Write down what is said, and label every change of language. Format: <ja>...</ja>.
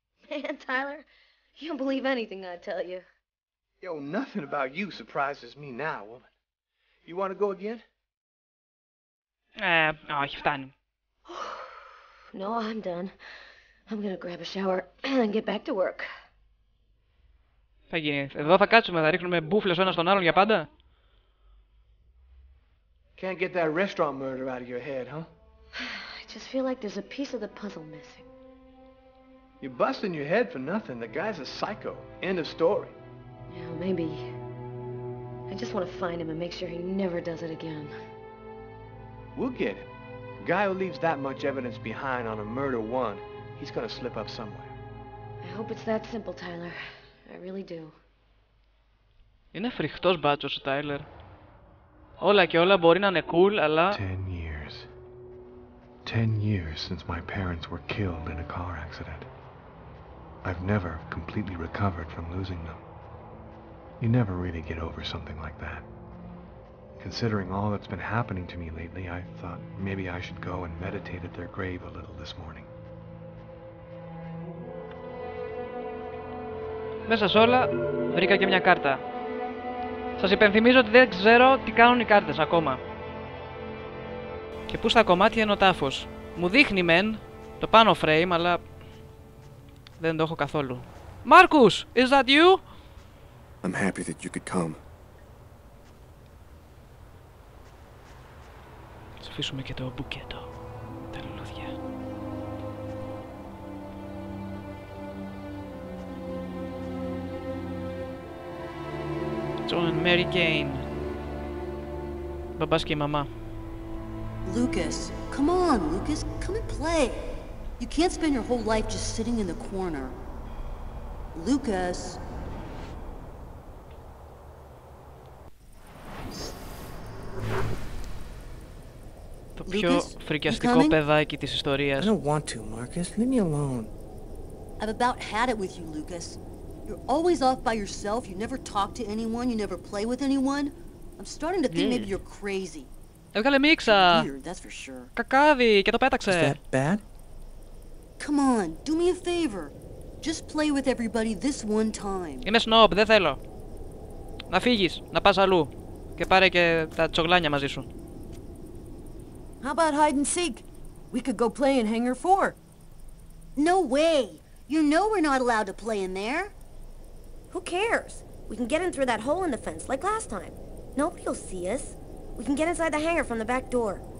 <en>Man, Tyler, you don't believe anything I tell you. Yo, nothing about you surprises me now, woman. You want to go again?</en> <el>Όχι, φτάνει.</el> <en>No, I'm done. I'm gonna grab a shower and get back to work.</en> <el>Θα γίνει. Εδώ θα κάτσουμε, θα ρίχνουμε μπούφλες ο ένας τον άλλον για πάντα.</el> <en>Can't get that restaurant murder out of your head, huh? I just feel like there's a piece of the puzzle missing. You're busting your head for nothing. The guy's a psycho. End of story. Yeah, maybe. I just want to find him and make sure he never does it again. We'll get him. Guy who leaves that much evidence behind on a murder one, he's gonna slip up somewhere. I hope it's that simple, Tyler. I really do.</en> <el>Είναι φρικτός μπάτσος ο Tyler. Όλα και όλα μπορεί να είναι cool, αλλά...</el> <en>10 years. 10 years since my parents were killed in a car accident. I've never completely recovered from losing them. You never really get over something like that. Considering all that's been happening to me lately, I thought maybe I should go and meditate at their grave a little this morning.</en> <el>Μέσα σε όλα, βρήκα και μια κάρτα. Σας υπενθυμίζω ότι δεν ξέρω τι κάνουν οι κάρτες ακόμα. Και πού στα κομμάτια είναι ο τάφος. Μου δείχνει μεν το πάνω frame, αλλά... δεν το έχω καθόλου.</el> <en>Μάρκους, is that you? I'm happy that you could come.</en> <el>Θα αφήσουμε και το μπουκέτο. Τα λουλούδια. John and Mary Jane. Μπαμπάς και η μαμά.</el> <en>Lucas, come on, Lucas, come and play. You can't spend your whole life just sitting in the corner. Lucas.</en> <el>Το πιο φρικιαστικό παιδάκι της ιστορίας.</el> <en>I don't want to, Marcus. Leave me alone. I've about had it with you, Lucas. You're always off by yourself. You never talk to anyone. You never play with anyone. I'm starting to think maybe you're crazy.</en> <el>Έβγαλε μίξα.</el> <en>That's for sure.</en> <el>Κακάβι και το πέταξε.</el> <en>Is that bad? Come on, do me a favor. Just play with everybody this one time.</en> <el>Είμαι σνόμπ, δεν θέλω. Να φύγεις, να πας αλλού. Και πάρε και τα τσογλάνια μαζί σου.</el> <en>How about hide and seek? We could go play in Hangar 4. No way. You know we're not allowed to play in there. Who cares? We can get in through that hole in the fence like last time. Nobody will see us. We can get inside the hangar from the back door.</en>